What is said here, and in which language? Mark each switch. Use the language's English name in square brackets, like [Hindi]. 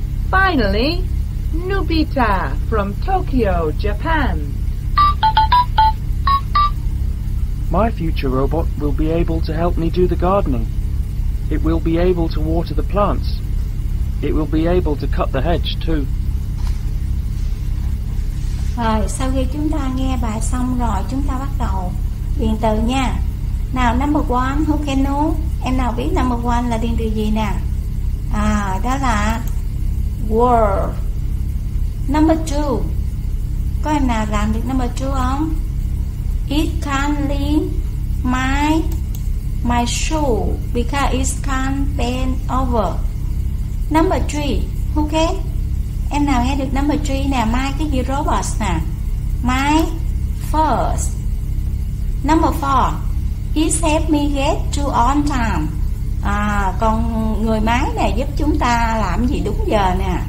[English] Finally, Nubita from Tokyo, Japan. My future robot will be able to help me do the gardening. It will be able to water the plants. It will be able to cut the hedge too. [Vietnamese] Rồi, sau khi chúng ta nghe bài xong rồi, chúng ta bắt đầu điền từ nha. Nào, [English] number one, who can know? [Vietnamese] Em nào biết number one là điền từ gì nè? À, đó là world. Number two, có em nào làm được number two không? [English] It can clean my shoe because it can't bend over. Number three, who can? [Vietnamese] Em nào nghe được number three nè? My cái gì robots nè? My first. [English] Number four, it help me get to on time. [Vietnamese] À, còn người máy này giúp chúng ta làm gì đúng giờ nè?